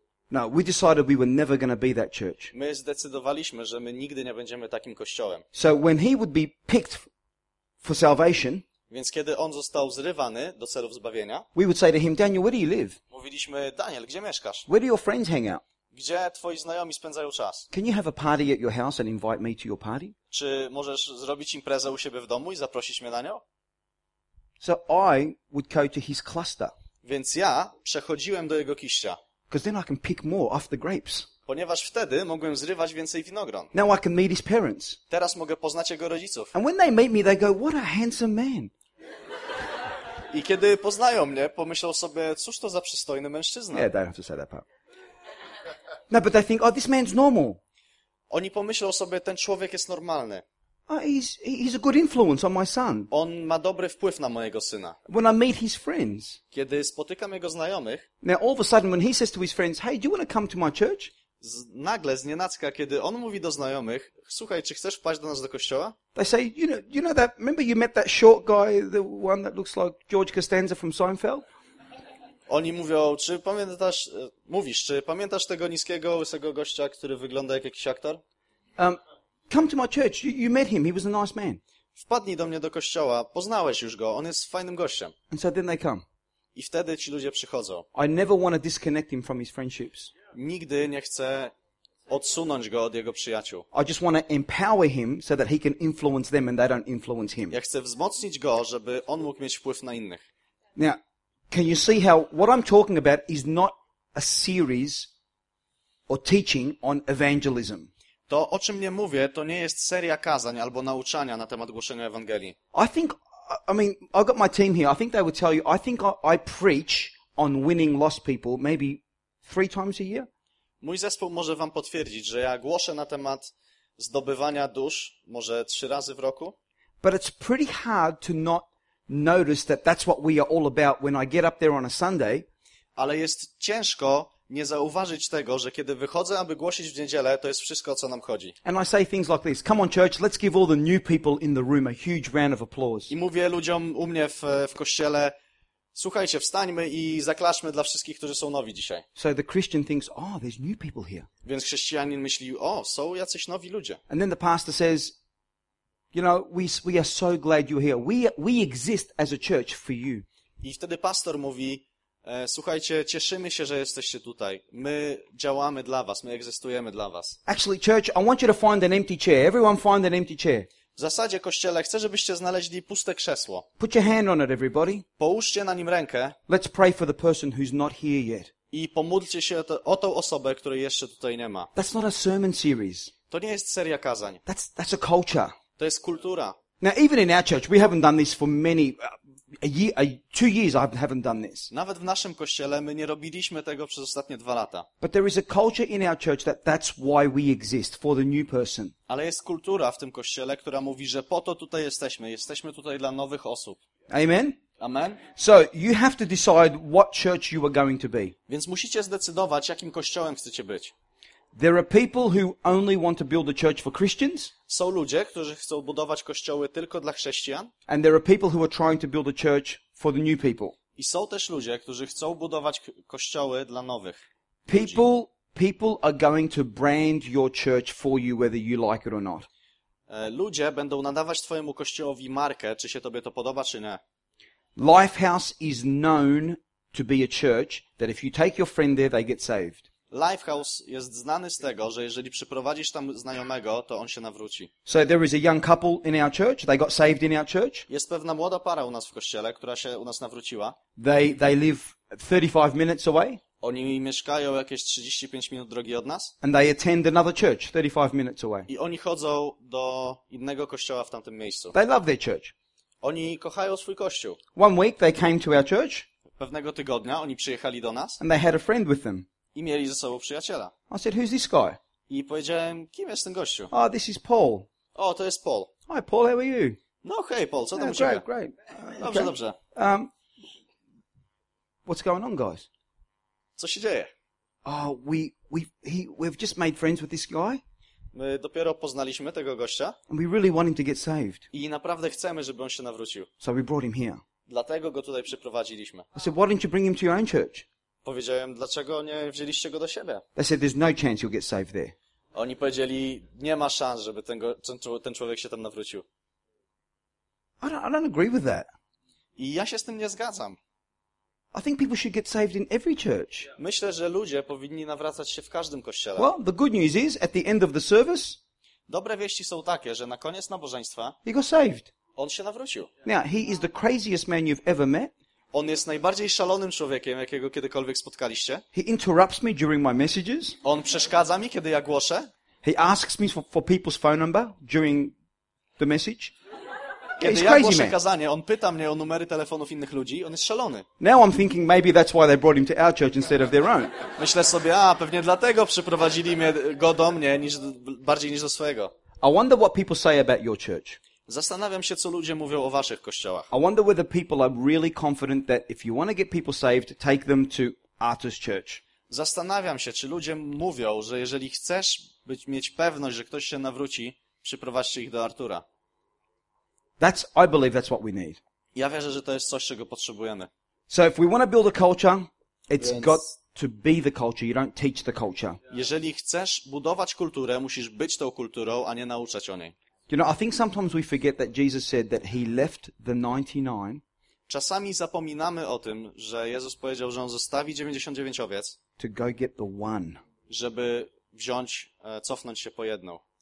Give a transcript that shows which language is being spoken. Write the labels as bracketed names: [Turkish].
[English] No, we decided we were never going to be that church. [Polish] My zdecydowaliśmy, że my nigdy nie będziemy takim kościołem. [English] So when he would be picked for salvation, [Polish] więc kiedy on został zrywany do celów zbawienia, [English] we would say to him, Daniel, where do you live? [Polish] Mówiliśmy, Daniel, gdzie mieszkasz? [English] Where do your friends hang out? [Polish] Gdzie twoi znajomi spędzają czas? [English] Can you have a party at your house and invite me to your party? [Polish] Czy możesz zrobić imprezę u siebie w domu i zaprosić mnie na nią? [English] So I would go to his cluster. [Polish] Więc ja przechodziłem do jego kiścia. [English] Because then I can pick more off the grapes. [Polish] Ponieważ wtedy mogłem zrywać więcej winogron. [English] Now I can meet his parents. [Polish] Teraz mogę poznać jego rodziców. [English] And when they meet me, they go, what a handsome man. [Polish] I kiedy poznają mnie, pomyślą sobie, cóż to za przystojny mężczyzna. [English] Yeah, they don't have to say that part. No, but they think, oh, this man's normal. [Polish] Oni pomyślą sobie, ten człowiek jest normalny. [English] Oh, he's a good influence on my son. [Polish] On ma dobry wpływ na mojego syna. [English] When I meet his friends. [Polish] Kiedy spotykam jego znajomych. [English] Now all of a sudden, when he says to his friends, "Hey, do you want to come to my church?" [Polish] Nagle z nienacka, kiedy on mówi do znajomych, słuchaj, czy chcesz wpaść do nas do kościoła? [English] They say, you know that? Remember you met that short guy, the one that looks like George Costanza from Seinfeld? [Polish] Oni mówią, czy pamiętasz, mówisz, czy pamiętasz tego niskiego, łysego gościa, który wygląda jak jakiś aktor? [English] Come to my church. You met him. He was a nice man. [Polish] Wpadnij do mnie do kościoła. Poznałeś już go. On jest fajnym gościem. [English] And so then they come. [Polish] I wtedy ci ludzie przychodzą. [English] I never want to disconnect him from his friendships. [Polish] Nigdy nie chcę odsunąć go od jego przyjaciół. [English] I just want to empower him so that he can influence them and they don't influence him. [Polish] Ja chcę wzmocnić go, żeby on mógł mieć wpływ na innych. [English] Now, can you see how what I'm talking about is not a series or teaching on evangelism? [Polish] To, o czym nie mówię, to nie jest seria kazań albo nauczania na temat głoszenia Ewangelii. [English] I got my team here. I think they would tell you, I think I preach on winning lost people maybe 3 times a year. [Polish] Mój zespół może wam potwierdzić, że ja głoszę na temat zdobywania dusz może 3 razy w roku. [English] But it's pretty hard to not notice that that's what we are all about when I get up there on a Sunday. [Polish] Ale jest ciężko nie zauważyć tego, że kiedy wychodzę, aby głosić w niedzielę, to jest wszystko, o co nam chodzi. [English] And I say things like this, come on church, let's give all the new people in the room a huge round of applause. [Polish] I mówię ludziom u mnie w kościele, słuchajcie, wstańmy i zaklaszmy dla wszystkich, którzy są nowi dzisiaj. [English] So the Christian thinks, oh, there's new people here. [Polish] Więc chrześcijanin myśli, o, są jacyś nowi ludzie. [English] And then the pastor says, you know, we are so glad you're here. We exist as a church for you. [Polish] I wtedy pastor mówi, słuchajcie, cieszymy się, że jesteście tutaj. My działamy dla was, my egzystujemy dla was. [English] Actually, church, I want you to find an empty chair. Everyone find an empty chair. [Polish] W zasadzie, kościele, chcę, żebyście znaleźli puste krzesło. [English] Put your hand on it, everybody. [Polish] Połóżcie na nim rękę. [English] Let's pray for the person who's not here yet. [Polish] I pomódlcie się o tą osobę, której jeszcze tutaj nie ma. [English] That's not a sermon series. [Polish] To nie jest seria kazań. [English] That's a culture. [Polish] To jest kultura. [English] Now, even in our church, we haven't done this for many... Two years I haven't done this. [Polish] Nawet w naszym kościele my nie robiliśmy tego przez ostatnie 2 lata. [English] But there is a culture in our church that's why we exist, for the new person. [Polish] Ale jest kultura w tym kościele, która mówi, że po to tutaj jesteśmy. Jesteśmy tutaj dla nowych osób. [English] Amen? [Polish] Amen. [English] So you have to decide what church you are going to be. [Polish] Więc musicie zdecydować, jakim kościołem chcecie być. [English] There are people who only want to build a church for Christians. [Polish] Są ludzie, którzy chcą budować kościoły tylko dla chrześcijan. [English] And there are people who are trying to build a church for the new people. [Polish] I są też ludzie, którzy chcą budować kościoły dla nowych. [English] People are going to brand your church for you whether you like it or not. [Polish] Ludzie będą nadawać twojemu kościołowi markę, czy się tobie to podoba, czy nie. [English] Lifehouse is known to be a church that if you take your friend there, they get saved. [Polish] Lifehouse jest znany z tego, że jeżeli przyprowadzisz tam znajomego, to on się nawróci. [English] So there is a young couple in our church. They got saved in our church. [Polish] Jest pewna młoda para u nas w kościele, która się u nas nawróciła. [English] They live 35 minutes away. [Polish] Oni mieszkają jakieś 35 minut drogi od nas. [English] And they attend another church 35 minutes away. [Polish] I oni chodzą do innego kościoła w tamtym miejscu. [English] They love their church. [Polish] Oni kochają swój kościół. [English] One week they came to our church. [Polish] Pewnego tygodnia oni przyjechali do nas. [English] And they had a friend with them. [Polish] I mieli ze sobą przyjaciela. [English] I said, who's this guy? [Polish] I powiedziałem, kim jest ten gościu? [English] Oh, this is Paul. [Polish] O, to jest Paul. [English] Hi, Paul, how are you? [Polish] No, hey, Paul, co tam u ciebie? [English] Great. [Polish] Dobrze, okay. Dobrze. [English] What's going on, guys? [Polish] Co się dzieje? [English] Oh, we've just made friends with this guy. [Polish] My dopiero poznaliśmy tego gościa. [English] And we really want him to get saved. [Polish] I naprawdę chcemy, żeby on się nawrócił. [English] So we brought him here. [Polish] Dlatego go tutaj przyprowadziliśmy. [English] I said, why didn't you bring him to your own church? [Polish] Powiedziałem, dlaczego nie wzięliście go do siebie? [English] They said, there's no chance you'll get saved there. [Polish] Oni powiedzieli, nie ma szans, żeby ten człowiek się tam nawrócił. [English] I don't agree with that. [Polish] I ja się z tym nie zgadzam. [English] I think people should get saved in every church. [Polish] Myślę, że ludzie powinni nawracać się w każdym kościele. [English] Well, the good news is, at the end of the service, [Polish] dobre wieści są takie, że na koniec nabożeństwa [English] he got saved. [Polish] On się nawrócił. [English] Now, he is the craziest man you've ever met. [Polish] On jest najbardziej szalonym człowiekiem, jakiego kiedykolwiek spotkaliście. [English] He interrupts me during my messages. [Polish] On przeszkadza mi, kiedy ja głoszę. [English] He asks me for people's phone number during the message. [Polish] kiedy ja głoszę kazanie, on pyta mnie o numery telefonów innych ludzi, on jest szalony. [English] Now I'm thinking maybe that's why they brought him to our church instead of their own. [Polish] Myślę sobie, a pewnie dlatego przyprowadzili mnie go do mnie niż, bardziej niż do swojego. [English] I wonder what people say about your church. [Polish] Zastanawiam się, co ludzie mówią o waszych kościołach. [English] I wonder whether people are really confident that if you want to get people saved, take them to Artist Church. [Polish] Zastanawiam się, czy ludzie mówią, że jeżeli chcesz być, mieć pewność, że ktoś się nawróci, przyprowadźcie ich do Artura. [English] That's, I believe that's what we need. [Polish] Ja wierzę, że to jest coś, czego potrzebujemy. [English] So if we want to build a culture, it's [Polish] więc [English] got to be the culture, you don't teach the culture. [Polish] Jeżeli chcesz budować kulturę, musisz być tą kulturą, a nie nauczać o niej. [English] You know, I think sometimes we forget that Jesus said that he left the 99. [Polish] Czasami zapominamy o tym, że Jezus powiedział, że on zostawi 99 owiec, [English] to go get the one. [Polish] Żeby wziąć, cofnąć się po jedną.